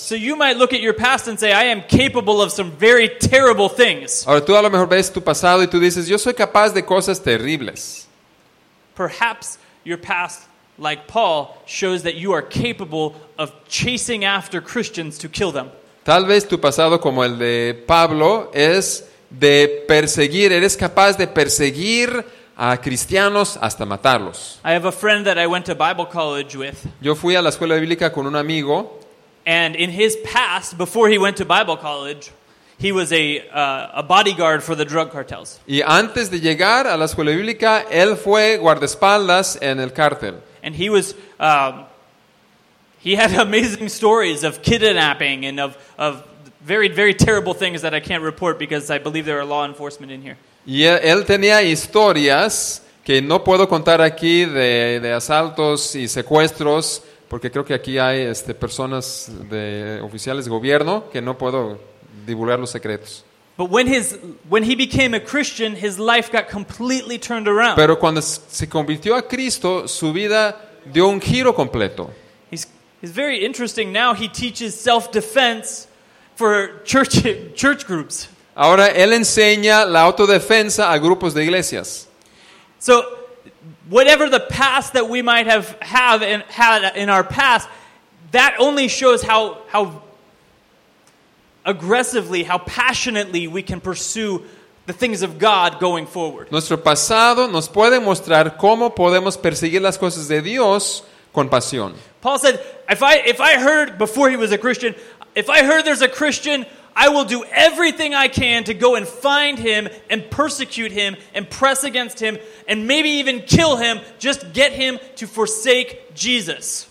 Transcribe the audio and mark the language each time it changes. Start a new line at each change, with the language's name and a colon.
English: So you might look at your past and say, "I am capable of some very terrible things."
Spanish: Ahora tú a lo mejor ves tu pasado y tú dices, "Yo soy capaz de cosas terribles."
English: Perhaps your past, like Paul, shows that you are capable of chasing after Christians to kill them.
Spanish: Tal vez tu pasado como el de Pablo es de perseguir, eres capaz de perseguir a cristianos hasta matarlos.
English: I have a friend that I went to Bible college with.
Spanish: Yo fui a la escuela bíblica con un amigo.
English: And in his past, before he went to Bible college, he was a bodyguard for the drug cartels.
Spanish: Y antes de llegar a la escuela bíblica, él fue guardaespaldas en el cártel.
English: And he was he had amazing stories of kidnapping and of very very terrible things that I can't report because I believe there are law enforcement in here.
Spanish: Y él tenía historias que no puedo contar aquí de asaltos y secuestros porque creo que aquí hay personas de oficiales de gobierno que no puedo divulgar los secretos.
English: But when he became a Christian, his life got completely turned around.
Spanish: Pero cuando se convirtió a Cristo, su vida dio un giro completo.
English: He's It's very interesting. Now he teaches self-defense for church groups.
Spanish: Ahora él enseña la autodefensa a grupos de iglesias.
English: So, whatever the past that we might have had in our past, that only shows how aggressively, how passionately we can pursue the things of God going forward.
Spanish: Nuestro pasado nos puede mostrar cómo podemos perseguir las cosas de Dios con pasión.
English: Paul said, if I heard, before he was a Christian, if I heard there's a Christian, I will do everything I can to go and find him and persecute him and press against him and maybe even kill him, just get him to forsake Jesus.